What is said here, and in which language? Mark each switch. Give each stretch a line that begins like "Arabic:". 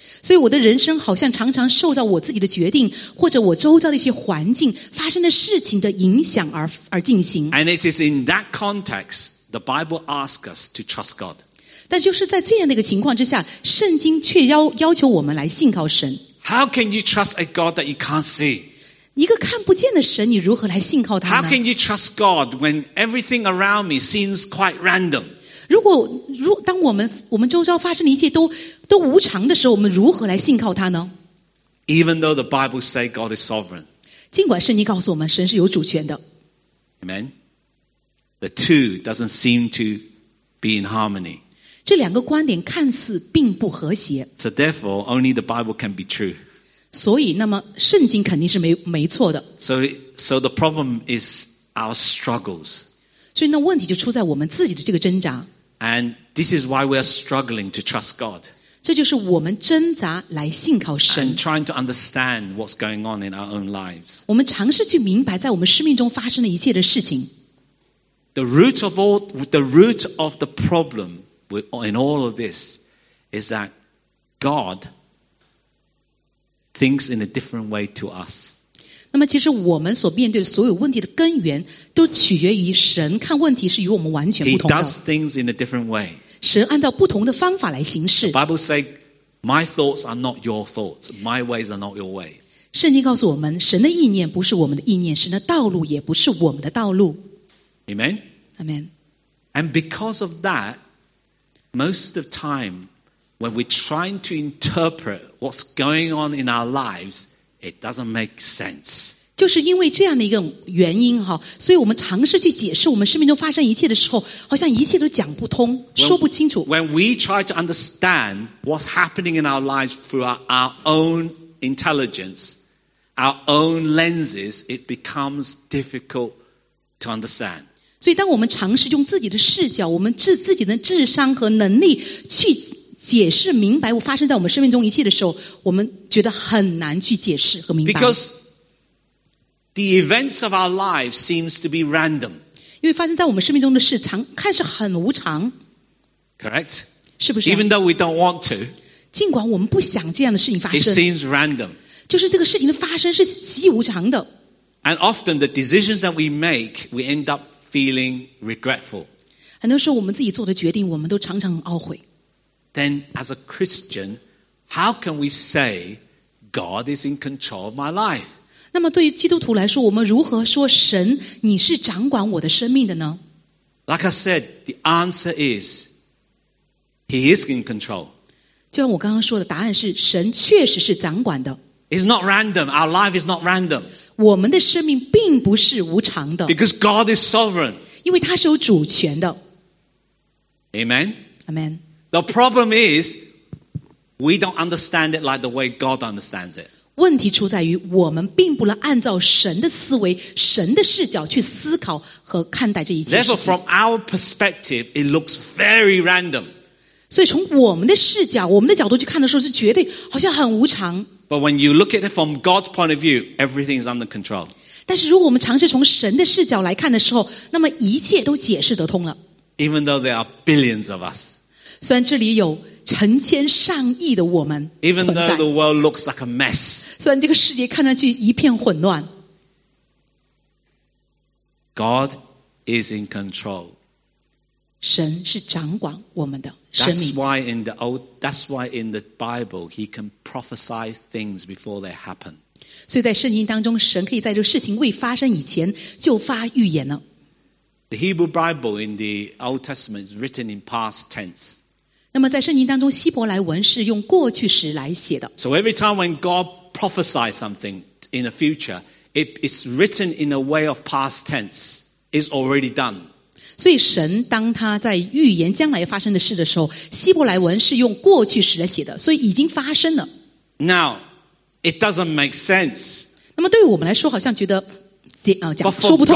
Chinese: 所以我的人生好像常常受到我自己的决定，或者我周遭的一些环境发生的事情的影响而进行。
English: And it is in that context. The Bible asks us to trust God.
Chinese: 但就是在这样的一个情况之下，圣经却要求我们来信靠神。
English: How can you trust a God that you can't see?
Chinese: 一个看不见的神，你如何来信靠他呢？
English: How can you trust God when everything around me seems quite random?
Chinese: 当我们周遭发生的一切都无常的时候，我们如何来信靠他呢？
English: Even though the Bible says God is sovereign.
Chinese: 尽管圣经告诉我们神是有主权的。
English: Amen. The two doesn't seem to be in harmony.
Chinese: 这两个观点看似并不和谐。
English: So therefore, only the Bible can be true.
Chinese: 所以，那么圣经肯定是没错的。
English: So the problem is our struggles.
Chinese: 所以那问题就出在我们自己的这个挣扎。
English: And this is why we are struggling to trust God.
Chinese: 这就是我们挣扎来信靠神。
English: And trying to understand what's going on in our own lives.
Chinese: 我们尝试去明白在我们生命中发生的一切的事情。
English: The root of the problem in all of this is that God thinks in a different way to us.
Chinese: 那么其实我们所面对的所有问题的根源都取决于神看问题是与我们完全不同的。
English: He does things in a different way.
Chinese: 神按照不同的方法来行事。
English: The Bible says, "My thoughts are not your thoughts. My ways are not your ways."
Chinese: 圣经告诉我们，神的意念不是我们的意念，神的道路也不是我们的道路。
English: Amen? Amen. And because of that, most of the time, when we're trying to interpret what's going on in our lives, it doesn't make sense.
Chinese: 就是因为这样的一个原因，所以我们尝试去解释我们生命中发生一切的时候，好像一切都讲不通，说不清楚。
English: When we try to understand what's happening in our lives through our own intelligence, our own lenses, it becomes difficult to understand.
Chinese: 所以当我们尝试用自己的视角，我们自己的智商和能力去解释明白我发生在我们生命中一切的时候，我们觉得很难去解释和明白。
English: Because the events of our lives seems to be random.
Chinese: 因为发生在我们生命中的事常看是很无常。
English: Correct?
Chinese: 是不是？
English: Even though we don't want to,
Chinese: 尽管我们不想这样的事情发生，
English: it seems random.
Chinese: 就是这个事情的发生是习以无常的。
English: And often the decisions that we make, we end up feeling regretful.
Chinese: 很多时候我们自己做的决定，我们都常常很懊悔。
English: Then, as a Christian, how can we say God is in control of my life?
Chinese: 那么对于基督徒来说，我们如何说神你是掌管我的生命的呢？
English: Like I said, the answer is He is in control.
Chinese: 就像我刚刚说的，答案是神确实是掌管的。
English: It's not random. Our life is not random.
Chinese: 我们的生命并不是无常的。
English: Because God is sovereign.
Chinese: 因为他是有主权的。
English: Amen. Amen. The problem is, we don't understand it like the way God understands it.
Chinese: 问题出在于我们并不能按照神的思维、神的视角去思考和看待这一切事情。
English: Therefore, from our perspective, it looks very random.
Chinese: 所以从我们的视角、我们的角度去看的时候，是绝对好像很无常。
English: But when you look at it from God's point of view, everything is under control.
Chinese: 但是如果我们尝试从神的视角来看的时候，那么一切都解释得通了。
English: Even though there are billions of us.
Chinese: 虽然这里有成千上亿的我们存在，
English: Even though the world looks like a mess,
Chinese: 虽然这个世界看上去一片混乱，
English: God is in control.
Chinese: 神是掌管我们的生命。
English: That's why in the Bible he can prophesy things before they happen.
Chinese: 所以在圣经当中，神可以在这个事情未发生以前就发预言了。
English: The Hebrew Bible in the Old Testament is written in past tense.
Chinese: 那么在圣经当中，希伯来文是用过去时来写的。
English: So every time when God prophesies something in the future, it's written in a way of past tense. It's already done.
Chinese: 所以神当他在预言将来发生的事的时候，希伯来文是用过去时来写的，所以已经发生了。
English: Now, it doesn't make sense.
Chinese: 那么对于我们来说，好像觉得讲说不通。